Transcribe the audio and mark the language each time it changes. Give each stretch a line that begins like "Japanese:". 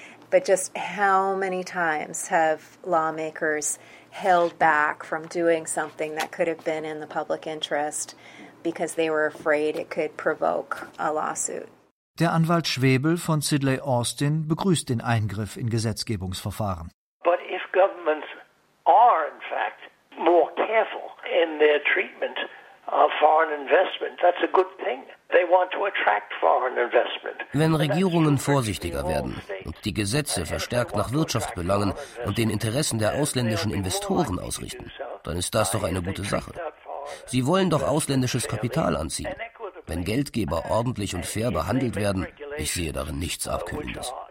English: But just how many times have lawmakers held back from doing something that could have been in the public interest? Because they were afraid it could provoke a lawsuit.
German: Der Anwalt Schwebel von Sidley Austin begrüßt den Eingriff in Gesetzgebungsverfahren.
English: But if governments are in fact more careful in their treatment of foreign investment, that's a good thing. They want to attract foreign investment.
German: Wenn Regierungen vorsichtiger werden und die Gesetze verstärkt nach Wirtschaft belangen und den Interessen der ausländischen Investoren ausrichten, dann ist das doch eine gute Sache. Sie wollen doch ausländisches Kapital anziehen. Wenn Geldgeber ordentlich und fair behandelt werden, ich sehe darin nichts Abkühlendes.